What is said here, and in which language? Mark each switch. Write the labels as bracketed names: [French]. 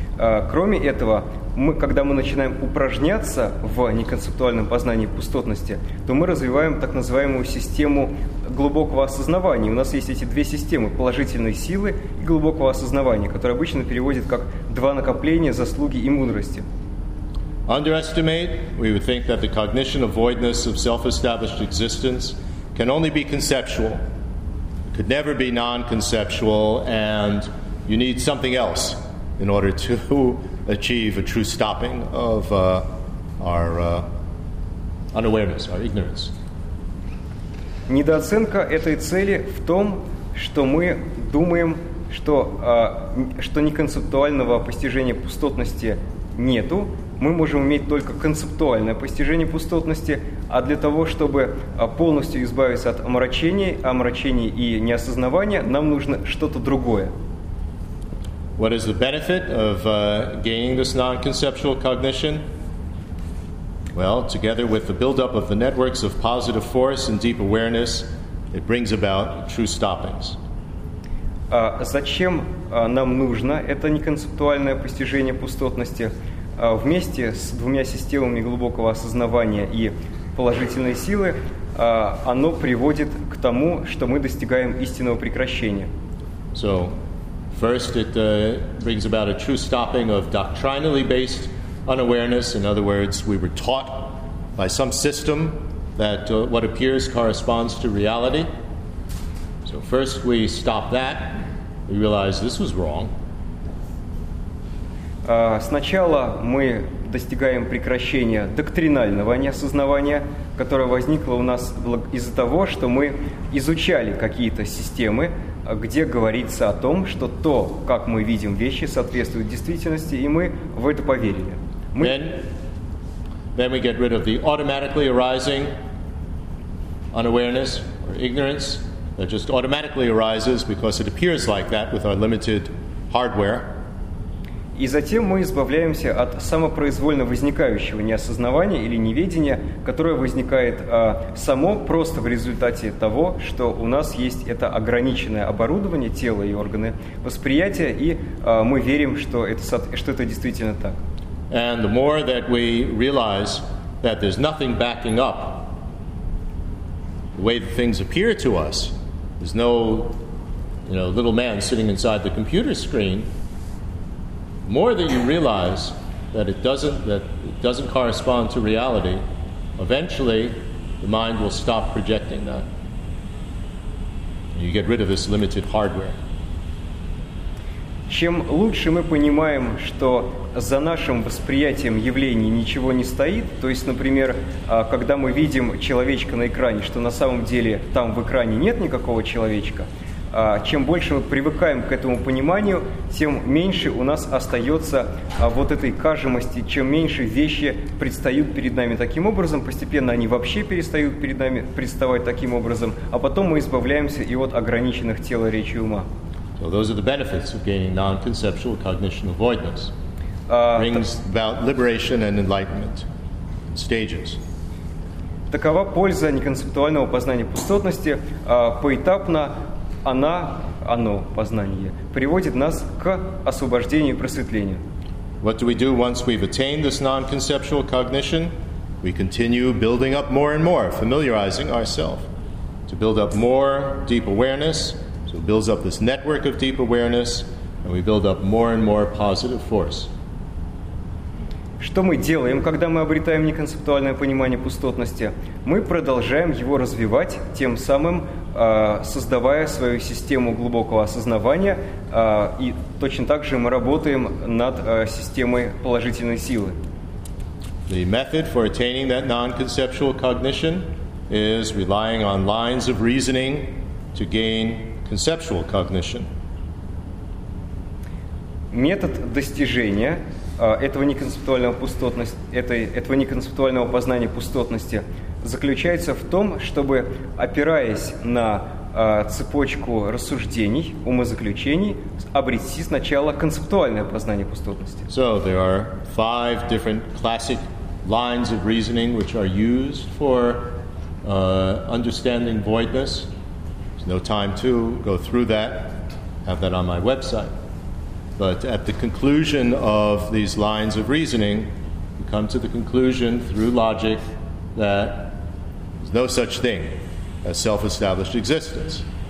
[Russian] Кроме этого, когда мы начинаем упражняться в неконцептуальном познании пустотности, то мы развиваем так называемую систему глубокого осознавания. У нас есть эти 2 системы – положительной силы и глубокого осознавания, которые обычно переводят как 2 накопления заслуги и мудрости. [English] Underestimate, we would think that the cognition avoidance of self-established existence can only be conceptual. It could never be non-conceptual, and you need something else in order to achieve a true stopping of our unawareness, our ignorance. [Russian] Недооценка этой цели в том, что мы думаем что, что неконцептуального постижения пустотности нету. Мы можем иметь только концептуальное постижение пустотности, а для того, чтобы полностью избавиться от омрачений и неосознавания, нам нужно что-то другое. [English] What is the benefit of gaining this non-conceptual cognition? Well, together with the build-up of the networks of positive force and deep awareness, it brings about true stoppings. [Russian] Зачем нам нужно это неконцептуальное постижение пустотности? Вместе с двумя системами глубокого осознавания и положительной силы оно приводит к тому, что мы достигаем истинного прекращения. [English] So, first it brings about a true stopping of doctrinally based unawareness. In other words, we were taught by some system that what appears corresponds to reality. So first we stop that, we realize this was wrong. [Russian] Сначала мы достигаем прекращения доктринального неосознавания, которое возникло у нас из-за того, что мы изучали какие-то системы, где говорится о том, что то, как мы видим вещи, соответствует действительности, и мы в это поверили. [English] Then we get rid of the automatically arising unawareness or ignorance that just automatically arises because it appears like that with our limited hardware. [Russian] И затем мы избавляемся от самопроизвольно возникающего неосознавания или неведения, которое возникает само просто в результате того, что у нас есть это ограниченное оборудование, тело и органы восприятия, и мы верим, что это действительно так. [English] And the more that we realize that there's nothing backing up the way that things appear to us, there's no, you know, little man sitting inside the computer screen, more that you realize that it doesn't correspond to reality, eventually the mind will stop projecting that. You get rid of this limited hardware. [Russian] Чем лучше мы понимаем, что за нашим восприятием явлений ничего не стоит, то есть, например, когда мы видим человечка на экране, что на самом деле там в экране нет никакого человечка, чем больше мы привыкаем к этому пониманию, тем меньше у нас остается вот этой кажимости, чем меньше вещи предстают перед нами таким образом, постепенно они вообще перестают перед нами представать таким образом, а потом мы избавляемся и от ограниченных тела, речи, ума. [English] So those are the benefits of gaining non-conceptual cognition avoidance. Brings about liberation and enlightenment in stages. [Russian] Такова польза неконцептуального познания пустотности. Поэтапно оно познание приводит нас к освобождению и просветлению. [English] What do we do once we've attained this non-conceptual cognition? We continue building up more and more, familiarizing ourselves to build up more deep awareness. So it builds up this network of deep awareness, and we build up more and more positive force. [Russian] Что мы делаем, когда мы обретаем неконцептуальное понимание пустотности? Мы продолжаем его развивать, тем самым создавая свою систему глубокого осознавания, и точно так же мы работаем над системой положительной силы. [English] The method for attaining that non-conceptual cognition is relying on lines of reasoning to gain conceptual cognition. [Russian] Метод достижения этого неконцептуального познания пустотности заключается в том, чтобы, опираясь на цепочку рассуждений, умозаключений, обрести сначала концептуальное познание пустотности. [English] So there are five different classic lines of reasoning which are used for understanding voidness. There's no time to go through that. Have that on my website. But at the conclusion of these lines of reasoning, you come to the conclusion through logic that there's no such thing as self-established existence.